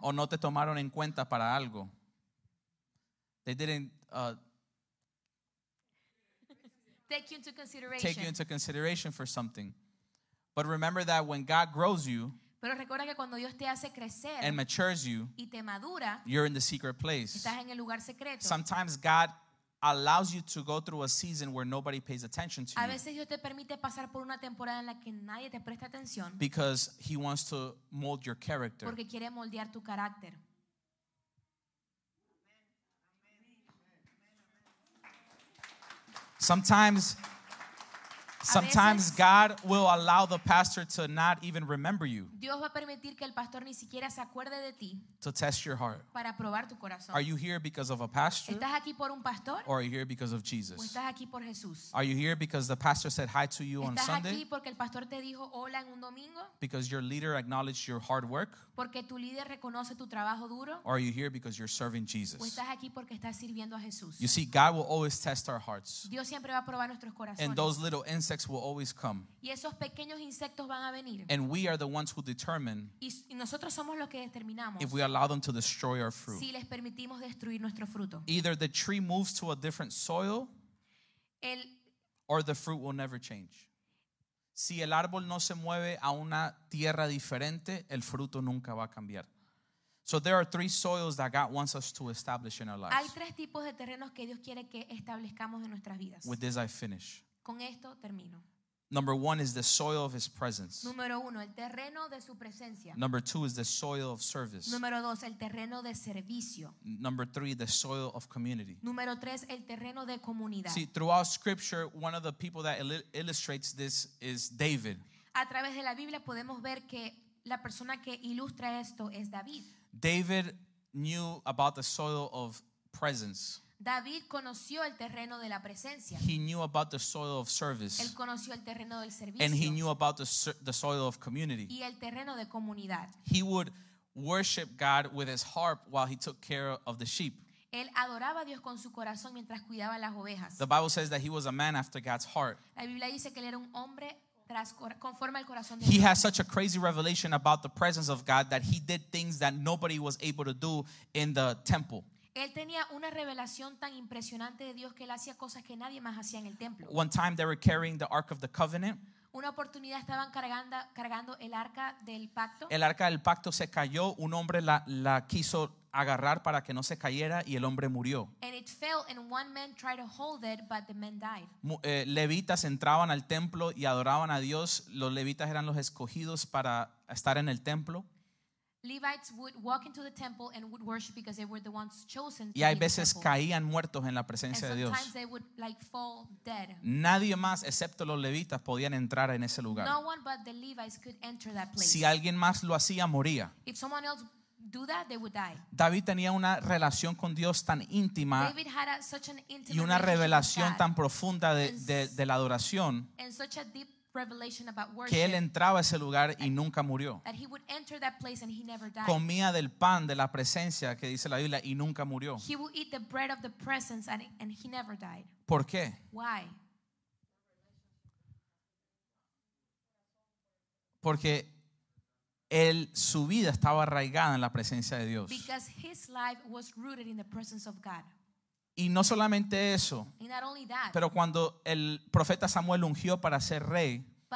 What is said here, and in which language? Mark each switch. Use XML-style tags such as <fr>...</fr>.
<es>O no te tomaron en cuenta para algo.</es> <en>They didn't take you into consideration. Take you into consideration for something. But remember that when God grows you,</en> <es>pero recuerda que cuando Dios te hace crecer,</es> <en>and matures you,</en> <es>y te madura,</es> <en>you're in the secret place.</en> <es>Estás en el lugar secreto.</es> <en>Sometimes God allows you to go through a season where nobody pays attention to you.</en> <es>A veces Dios te permite pasar por una temporada en la que nadie te presta atención.</es> <en>Because he wants to mold your character.</en> <es>Porque quiere moldear tu carácter.</es> <en>Sometimes God will allow the pastor to not even remember you.</en> <es>Dios va a permitir que el pastor ni siquiera se acuerde de ti.</es> <en>To test your heart.</en> <es>Para probar tu corazón.</es> <en>Are you here because of a pastor?</en> <es>¿Estás aquí por un pastor?</es> <en>Or are you here because of Jesus?</en> <es>¿O estás aquí por Jesús?</es> <en>Are you here because the pastor said hi to you on Sunday?</en> <es>¿Estás aquí porque el pastor te dijo hola en un domingo?</es> <en>Because your leader acknowledged your hard work?</en> <es>¿Porque tu líder reconoce tu trabajo duro?</es> <en>Or are you here because you're serving Jesus?</en> <es>¿O estás aquí porque estás sirviendo a Jesús?</es> <en>You see, God will always test our hearts.</en> <es>Dios siempre va a probar nuestros corazones.</es> <en>And those little insects will always come.</en> <es>Y esos pequeños insectos van a venir.</es> <en>And we are the ones who determine</en> <es>y nosotros somos los que determinamos</es> <en>if we allow them to destroy our fruit.</en> <es>Si les permitimos destruir nuestro fruto.</es> <en>Either the tree moves to a different soil or the fruit will never change.</en> <es>Si el árbol no se mueve a una tierra diferente, el fruto nunca va a cambiar.</es> <en>So there are three soils that God wants us to establish in our lives.</en> <es>Hay tres tipos de terrenos que Dios quiere que establezcamos en nuestras vidas.</es> <en>With this I finish.</en> <es>Con esto termino.</es> <en>Number one is the soil of his presence.</en> <es>Número uno, el terreno de su presencia.</es> <en>Number two is the soil of service.</en> <es>Número dos, el terreno de servicio.</es> <en>Number three, the soil of community.</en> <es>Número tres, el terreno de comunidad.</es> <en>See, throughout scripture, one of the people that illustrates this is David.</en> <es>A través de la Biblia podemos ver que la persona que ilustra esto es David.</es> <en>David knew about the soil of presence.</en> <es>David conoció el terreno de la presencia.</es> <en>He knew about the soil of service.</en> <es>Él conoció el terreno del servicio.</es> <en>And he knew about the soil of community.</en> <es>Y el terreno de comunidad.</es> <en>He would worship God with his harp while he took care of the sheep.</en> <es>Él adoraba a Dios con su corazón mientras cuidaba las ovejas.</es> <en>The Bible says that he was a man after God's heart.</en> <es>La Biblia dice que él era un hombre conforme al corazón de</es> <en>Dios. He had such a crazy revelation about the presence of God that he did things that nobody was able to do in the temple.</en> <es>Él tenía una revelación tan impresionante de Dios que él hacía cosas que nadie más hacía en el templo.</es> <en>One time they were carrying the Ark of the Covenant.</en> <es>Una oportunidad estaban cargando el arca del pacto. El arca del pacto se cayó. Un hombre la quiso agarrar para que no se cayera y el hombre murió.</es> <en>And it fell and one man tried to hold it, but the man died.</en> <es>Levitas entraban al templo y adoraban a Dios. Los levitas eran los escogidos para estar en el templo.</es> <en>Levites would walk into the temple and would worship because they were the ones chosen.</en> <es>Y hay veces caían muertos en la presencia de Dios.</es> <en>And sometimes they would like fall dead.</en> <es>Nadie más excepto los levitas podían entrar en ese lugar.</es> <en>No one but the Levites could enter that place.</en> <es>Si alguien más lo hacía, moría.</es> <en>If someone else do that, they would die.</en> <es>David tenía una relación con Dios tan íntima.</es> <en>David had such an intimate</en> <es>y una revelación tan profunda de la adoración.</es> <en>And such a deep revelation about worship,</en> <es>que él entraba a ese lugar y nunca murió.</es> <en>That he would enter that place and he never died.</en> <es>Comía del pan de la presencia que dice la Biblia y nunca murió.</es> <en>He would eat the bread of the presence and he never died.</en> <es>¿Por qué?</es> <en>Why?</en> <es>Porque él, su vida estaba arraigada en la presencia de Dios.</es> <en>Because his life was rooted in the presence of God.</en> <es>Y no solamente eso,</es> <en>that,</en> <es>pero cuando el profeta Samuel ungió para ser rey,</es>